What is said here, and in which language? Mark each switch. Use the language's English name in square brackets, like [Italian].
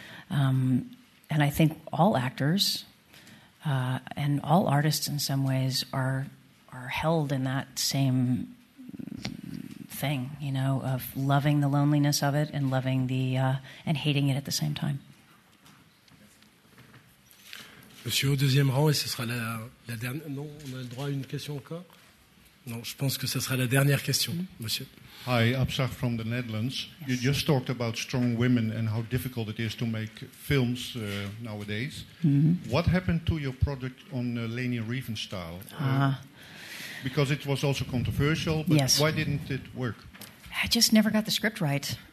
[English] And I think all actors and all artists in some ways are held in that same thing, you know, of loving the loneliness of it and loving the and hating it at the same time. [French] Monsieur au deuxième rang, et ce sera la, la dernière. Non, on a le droit à une question encore? Non, je pense que ce sera la dernière question, monsieur. [English] Hi, Absach from the Netherlands. Yes. You just talked about strong women and how difficult it is to make films nowadays. Mm-hmm. What happened to your project on Leni Riefenstahl? Because it was also controversial, but yes. Why didn't it work? I just never got the script right.